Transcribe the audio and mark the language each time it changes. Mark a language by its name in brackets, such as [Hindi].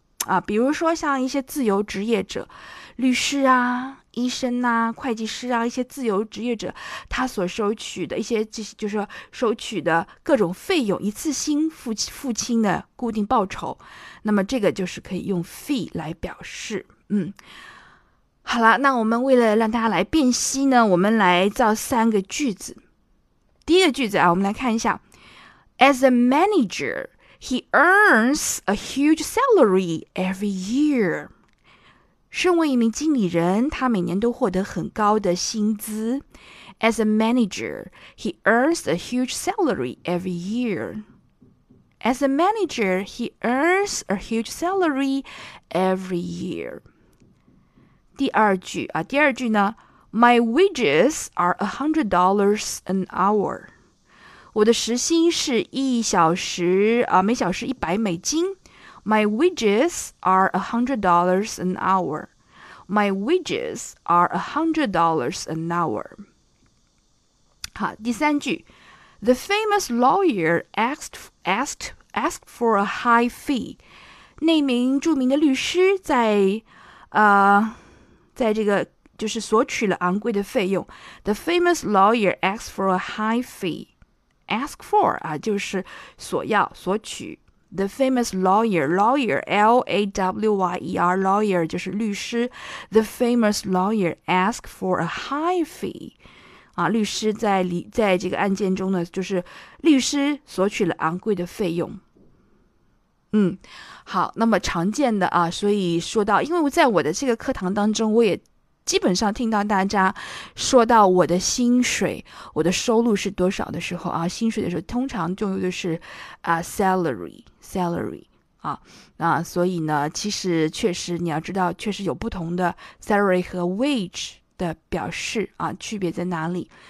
[Chinese] 啊，比如说像一些自由职业者，律师啊、医生呐、会计师啊，一些自由职业者，他所收取的一些，就是说收取的各种费用，一次性付清的固定报酬，那么这个就是可以用 fee 来表示。好了，那我们为了让大家来辨析呢，我们来造三个句子。第一个句子啊，我们来看一下： [English] As a manager, he earns a huge salary every year。 [Chinese] 身为一名经理人，他每年都获得很高的薪资。 [English] As a manager, he earns a huge salary every year. As a manager, he earns a huge salary every year. [Chinese] 第二句啊，第二句呢， [English] My wages are $100 an hour. [Chinese] 我的时薪是一小时啊，每小时100美金。 [English] My wages are $100 an hour. My wages are $100 an hour. [Chinese] 好，第三句， [English] The famous lawyer asked for a high fee. [Chinese] 那名著名的律师在这个就是索取了昂贵的费用。 [English] The famous lawyer asks for a high fee. Ask for, [Chinese] 啊，就是索要，索取。 [English] The famous lawyer, lawyer, L-A-W-Y-E-R, lawyer, [Chinese] 就是律师。 [English] The famous lawyer asks for a high fee. [Chinese] 啊，律师在这个案件中呢，就是律师索取了昂贵的费用。嗯，好，那么常见的啊，所以说到，因为在我的这个课堂当中，我也基本上听到大家说到我的薪水，我的收入是多少的时候啊，薪水的时候通常就用的是啊 salary 啊，那所以呢，其实确实你要知道，确实有不同的 salary 和 wage 的表示啊，区别在哪里？